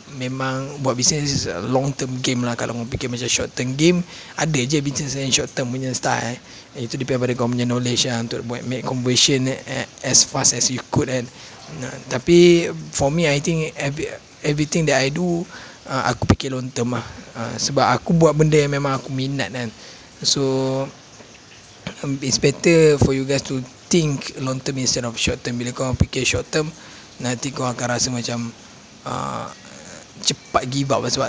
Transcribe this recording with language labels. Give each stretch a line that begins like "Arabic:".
Malay: Memang buat business
English: is a long term game
Malay: lah. Kalau kau fikir macam short term game, ada je business yang short term punya style. Itu depend pada kau punya knowledge lah, untuk buat
English: make conversion as fast as you could. And tapi for me, I think everything that I do,
Malay: aku fikir
English: long term lah.
Malay: Sebab aku buat benda yang memang aku minat kan.
English: So it's better for you guys to think long term instead of short term.
Malay: Bila kau fikir short term, nanti kau akan rasa macam cepat give up.